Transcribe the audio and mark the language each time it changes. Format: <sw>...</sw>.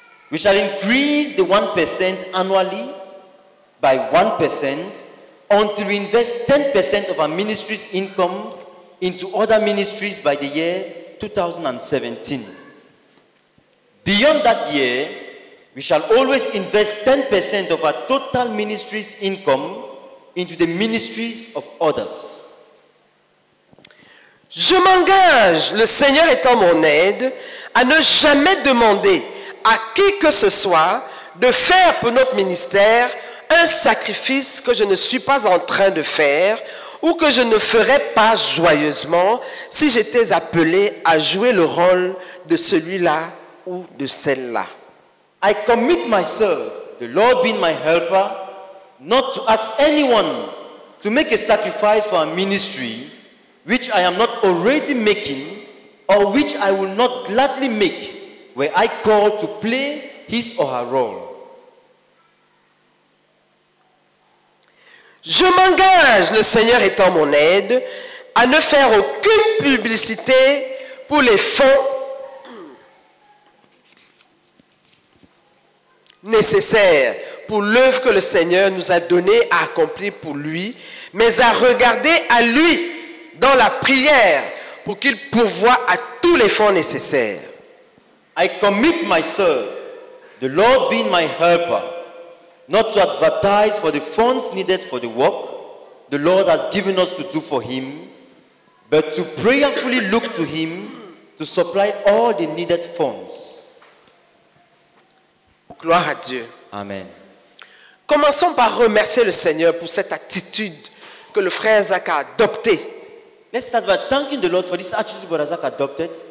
<en>We shall increase the 1% annually by 1% until we invest 10% of our ministry's income into other ministries by the year 2017. Beyond that year, we shall always invest 10% of our total ministry's income into the ministries of others.</en> <fr>Je m'engage, le Seigneur étant mon aide, à ne jamais demander à qui que ce soit de faire pour notre ministère un sacrifice que je ne suis pas en train de faire ou que je ne ferais pas joyeusement si j'étais appelé à jouer le rôle de celui-là ou de celle-là.</fr> <en>I commit myself, the Lord being my helper, not to ask anyone to make a sacrifice for a ministry which I am not already making or which I will not gladly make where I call to play his or her role.</en> <fr>Je m'engage, le Seigneur étant mon aide, à ne faire aucune publicité pour les fonds nécessaires pour l'œuvre que le Seigneur nous a donnée à accomplir pour lui, mais à regarder à lui dans la prière pour qu'il pourvoie à tous les fonds nécessaires.</fr> <en>I commit myself, the Lord being my helper, not to advertise for the funds needed for the work the Lord has given us to do for him, but to prayerfully look to him to supply all the needed funds.</en> <fr>Gloire à Dieu. Amen. Commençons par remercier le Seigneur pour cette attitude que le frère Zach a adoptée.</fr> <en>Let's start by thanking the Lord for this attitude Brother Zach adopted.</en>